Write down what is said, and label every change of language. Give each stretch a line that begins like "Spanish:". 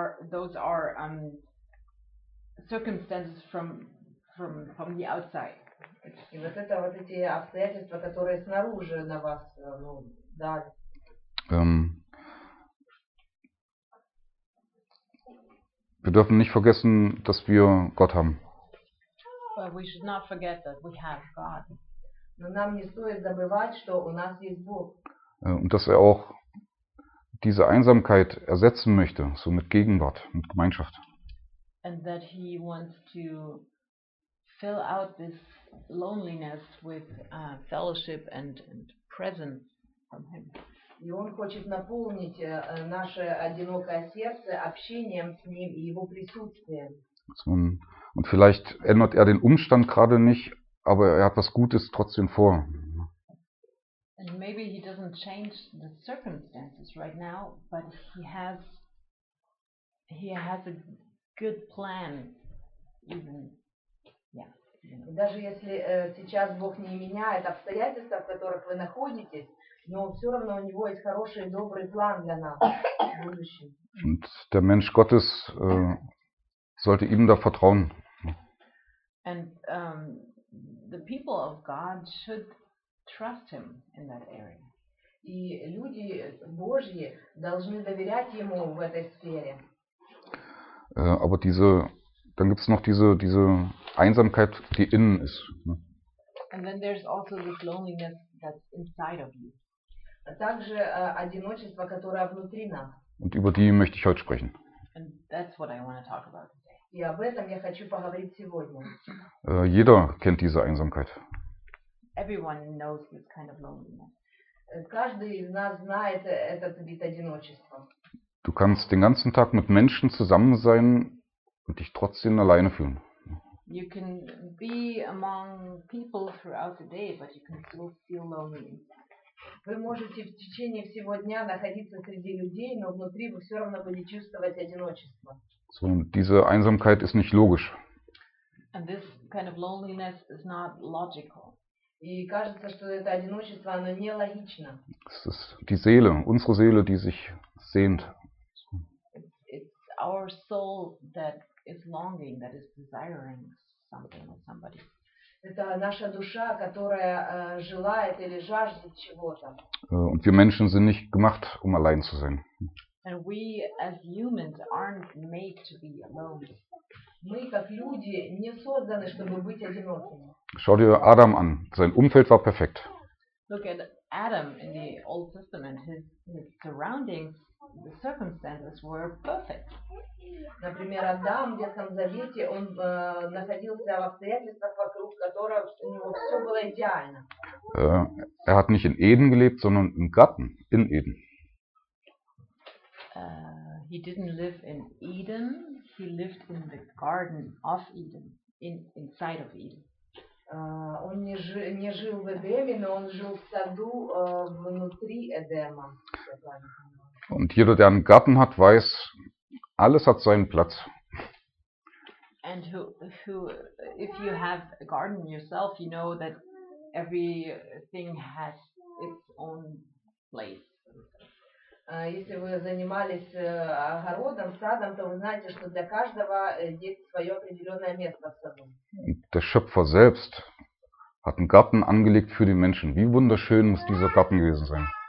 English: Those are circumstances from the outside.
Russian: И вот это вот эти обстоятельства, которые снаружи на вас, ну, дали.
German: Wir dürfen nicht vergessen, dass wir Gott haben.
English: But we should not forget that we have God.
Russian: Но нам не стоит забывать, что у нас есть Бог.
German: Und dass er auch diese Einsamkeit ersetzen möchte, so mit Gegenwart, mit Gemeinschaft.
English: And that he wants to fill out this loneliness with fellowship and presence from him.
Russian: И он хочет наполнить наше одинокое сердце общением с ним и его присутствием.
German: Und vielleicht ändert den Umstand gerade nicht, aber hat was Gutes trotzdem vor.
English: And maybe he doesn't change the circumstances right now, but he has a good plan even.
Russian: Даже если сейчас Бог не меняет обстоятельства, в которых вы находитесь, но все равно у него есть хороший, добрый план для нас в будущем.
German: Und der Mensch Gottes sollte ihm da vertrauen.
English: And the people of God should trust him in that area.
Russian: И люди Божьи должны доверять ему в этой сфере.
German: Aber diese, dann gibt es noch diese Einsamkeit, die innen ist.
English: And then there's also this loneliness that's inside of you.
Russian: Также одиночество, которое внутри нас.
German: Und über die möchte ich heute sprechen.
English: And that's what I want to talk about today.
Russian: И об этом я хочу поговорить сегодня.
German: Jeder kennt diese Einsamkeit.
English: Everyone knows this kind of loneliness.
Russian: Каждый из нас знает этот вид одиночества.
German: Du kannst den ganzen Tag mit Menschen zusammen sein und dich trotzdem alleine fühlen.
English: You can be among people throughout the day, but you can still feel lonely.
Russian: Вы можете в течение всего дня находиться среди людей, но внутри вы все равно будете чувствовать одиночество.
German: So, diese Einsamkeit ist nicht logisch.
English: And this kind of loneliness is not logical.
Russian: И кажется, что это одиночество, оно нелогично.
German: Es ist die Seele, unsere Seele, die sich sehnt.
English: Our soul that is longing, that is desiring something or somebody.
Russian: Это наша душа, которая желает или жаждет чего-то.
German: Und wir Menschen sind nicht gemacht, um allein zu sein.
English: And we as humans aren't made to be alone.
Russian: Мы как люди не созданы, чтобы быть одинокими.
German: Schau dir Adam an. Sein Umfeld war perfekt.
English: Look at Adam in the Old Testament. His surroundings. The circumstances were perfect.
Russian: Например, Адам в Ветхом Завете, он находился в обстоятельствах, вокруг которых у него все было идеально.
German: Er hat nicht in Eden gelebt, sondern im Garten in Eden.
English: He didn't live in Eden, he lived in the garden of Eden, inside of Eden.
Russian: Он не жил в Эдеме, но он жил в саду внутри Эдема.
German: Und jeder, der einen Garten hat, weiß, alles hat seinen Platz.
English: And who, if you have a garden yourself, you know that everything has its own place.
Russian: Если вы занимались огородом, садом, то вы знаете, что для каждого есть свое определенное место в саду.
German: Der Schöpfer selbst hat einen Garten angelegt für die Menschen. Wie wunderschön muss dieser Garten gewesen sein.